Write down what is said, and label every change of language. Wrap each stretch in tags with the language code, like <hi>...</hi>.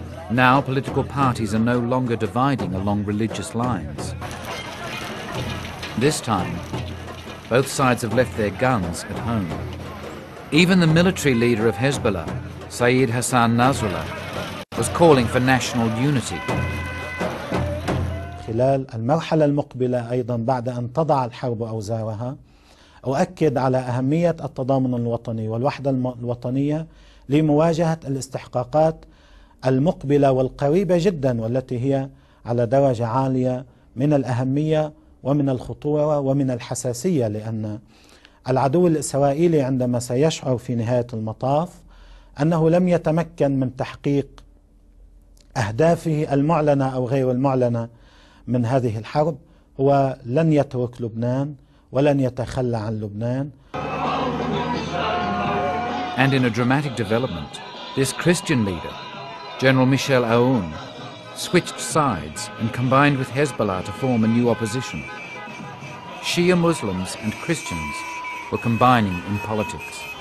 <en>Now political parties are no longer dividing along religious lines. This time, both sides have left their guns at home. Even the military leader of Hezbollah, Sayed Hassan Nasrallah, was calling for national unity.</en> <ar>خلال المرحلة المقبلة أيضا بعد أن تضع الحرب أوزارها أؤكد على أهمية التضامن الوطني والوحدة الوطنية لمواجهة الاستحقاقات المقبلة والقريبة جدا والتي هي على درجة عالية من الأهمية ومن الخطورة ومن الحساسية لأن العدو الإسرائيلي عندما سيشعر في نهاية المطاف أنه لم يتمكن من تحقيق أهدافه المعلنة أو غير المعلنة من هذه الحرب هو لن يترك لبنان ولن يتخلى عن لبنان.</ar> <en>And in a dramatic development, this Christian leader, General Michel Aoun, switched sides and combined with Hezbollah to form a new opposition. Shia Muslims and Christians were combining in politics.</en>